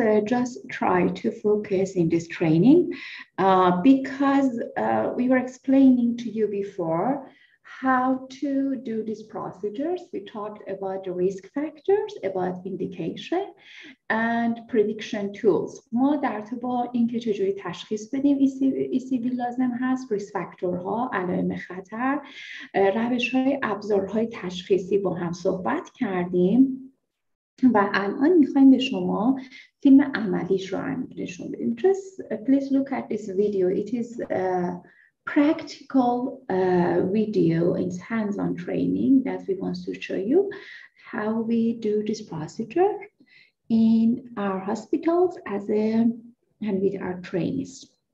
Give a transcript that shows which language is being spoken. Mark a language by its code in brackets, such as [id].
[en] just try to focus in this training because we were explaining to you before how to do these procedures. We talked about the risk factors, about indication and prediction tools. [fa] ما در تو با این که چجوری تشخیص بدیم ایسی بی لازم هست، ریسک فاکتورها، علائم خطر، روش های ابزارهای تشخیصی با هم صحبت کردیم و الان میخواییم به شما فیلم عملیش رو نشون بدیم. [en] Just please look at this video. It is practical video, it's hands-on training that we want to show you how we do this procedure in our hospitals as a and with our trainees.